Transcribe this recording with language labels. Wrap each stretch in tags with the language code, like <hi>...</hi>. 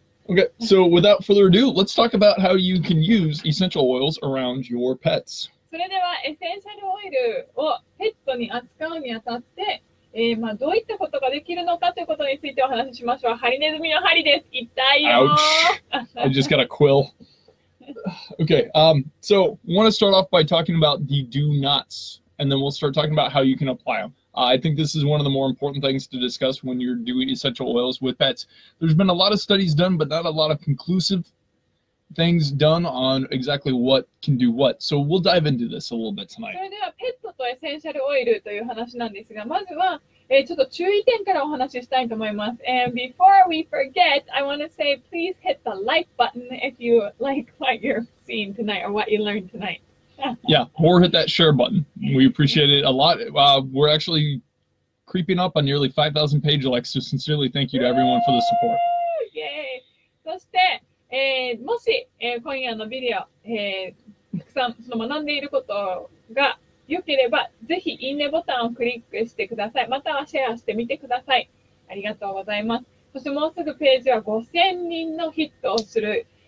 <en>Okay, so without further ado, let's talk about how you can use essential oils around your pets.</en> <ja>それではエッセンシャルオイルをペットに扱うにあたって、どういったことができるのかということについてお話ししましょう。ハリネズミの針です。痛いよ。</ja> <en>Ouch. I just got a quill. Okay, so I want to start off by talking about the do nots, and then we'll start talking about how you can apply them. I think this is one of the more important things to discuss when you're doing essential oils with pets. There's been a lot of studies done, but not a lot of conclusive things done on exactly what can do what. So we'll dive into this a little bit tonight.</en> <ja>それではペットとエッセンシャルオイルという話なんですが、まずは、ちょっと注意点からお話ししたいと思います。</ja> <en>And before we forget, I want to say please hit the like button if you like what you're seeing tonight or what you learned tonight. Yeah, or hit that share button. We appreciate it a lot. We're actually creeping up on nearly 5,000 page likes, so sincerely thank you to everyone for the support. Yay!</en> <ja>そして、もし、今夜のビデオ、たくさんその学んでいることが良ければ、ぜひいいねボタンをクリックしてください。またはシェアしてみてください。ありがとうございます。そしてもうすぐページは5000人のヒットをする</ja>